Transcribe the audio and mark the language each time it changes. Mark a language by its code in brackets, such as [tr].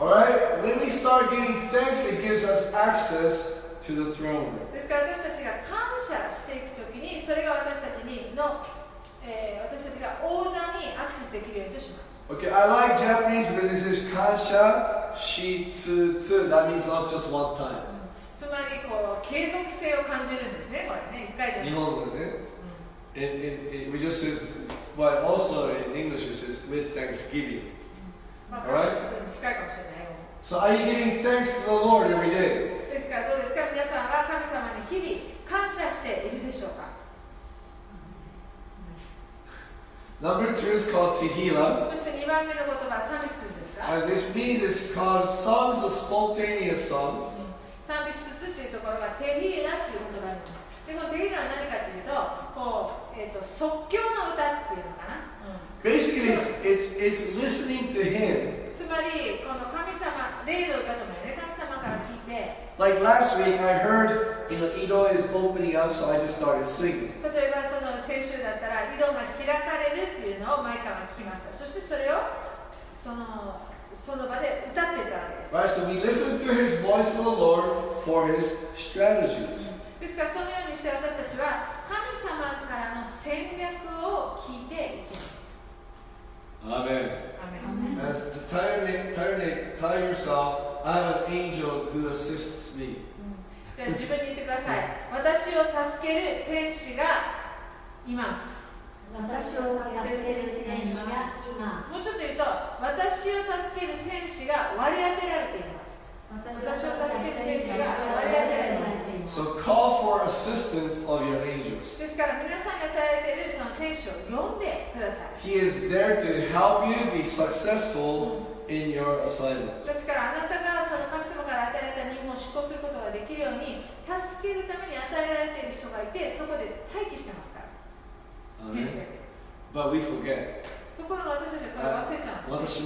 [en] Alright, when we start giving thanks, it gives us access to the throne. [ja] ですから私たちが感謝していくときに、それが私たちにの、私たちが王座にアクセスできるようにとします。 [en] Okay, I like Japanese because it says [ja] 感謝しつつ。 [en] That means not just one time. [ja] つまりこう継続性を感じるんですね、これね、一回じゃない。日本語でね。 [en] It just says, but also in English it says, with thanksgiving. Alright? [ja] 近いかもしれない。 [en] So are you giving thanks to the Lord every day? [ja] ですからどうですか、皆さんは神様に日々感謝しているでしょうか。 [en] Number two is called Tehillah. [ja] そして2番目の言葉は賛美詩ですか。 [en] This means it's called songs of spontaneous songs. [ja] 賛美しつつっていうところがテヒーラっていう言葉があります。でもテヒーラは何かっていう と, こう、即興の歌っていうのかな。 [en] Basically it's listening to him. [ja] つまりこの神様レイの歌ともね、神様から聞いて、 [en] Like last week I heard, you know, Edo is opening up, so I just started singing. [ja] 例えばその先週だったら Edo が開かれるっていうのをマイカが聞きました。そしてそれをその場で歌ってたわけです。 [en] Right, so we listen to his voice of the Lord for his strategies. [ja] ですからそのようにして私たちは神様からの戦略を聞いていきます。 [en] Amen. Amen. Tell yourself, I have an angel who assists me. [ja] じゃあ自分に言ってください。私を助ける天使がいます。私を助ける天使がいます。もうちょっと言うと、私を助ける天使が割り当てられています。私を助ける天使が割り当てられています。 [en] So call for assistance of your angels. [ja] ですから皆さんに与えているその天使を呼んでください。 [en] He is there to help you be successful in your assignment. [ja] ですからあなたがその神様から与えられた任務を執行することができるように助けるために与えられている人がいて、そこで待機してますから。 [en] But we forget. [ja] ところが私たちはこれ忘れちゃう。